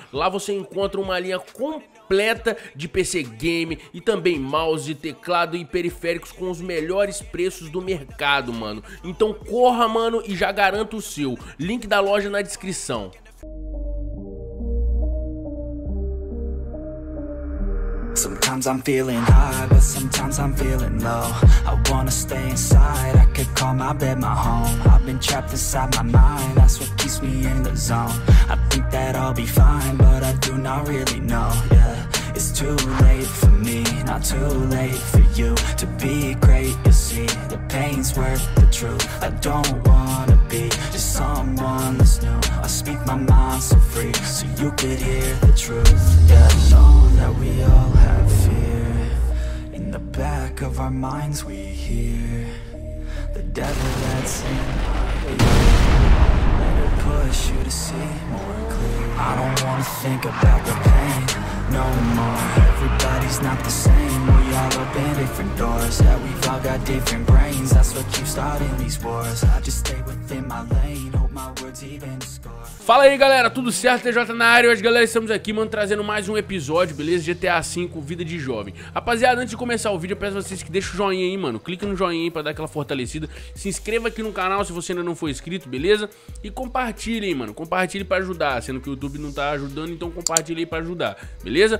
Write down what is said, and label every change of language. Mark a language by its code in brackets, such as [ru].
[pt] Lá você encontra uma linha completa de PC game e também mouse, teclado e periféricos com os melhores preços do mercado, mano. Então corra, mano, e já garanta o seu. Link da loja na descrição. [en] Sometimes I'm feeling high, but sometimes I'm feeling low. I wanna stay inside, I could call my bed my home. I've been trapped inside my mind, that's what keeps me in the zone. I think that I'll be fine, but I do not really know. Yeah, it's too late for me, not too late for you. To be great, you see, the pain's worth the truth. I don't wanna be just someone that's new. I speak my mind so free, so you could hear the truth. Yeah, I know that we all have fear. In the back of our minds we hear the devil that's in our ear. Let it push you to see more clear. I don't wanna think about the pain no more. Everybody's not the same. We all open different doors. Yeah, we've all got different brains. That's what keeps starting these wars. I just stay within my lane. Hope my words even score. [pt] Fala aí, galera, tudo certo? TJ na área. Hoje, galera, estamos aqui, mano, trazendo mais um episódio, beleza? GTA V, Vida de Jovem. Rapaziada, antes de começar o vídeo, eu peço a vocês que deixem o joinha aí, mano. Clica no joinha aí pra dar aquela fortalecida. Se inscreva aqui no canal se você ainda não for inscrito, beleza? E compartilha aí, mano. Compartilha pra ajudar, sendo que o YouTube não tá ajudando, então compartilha aí pra ajudar, beleza?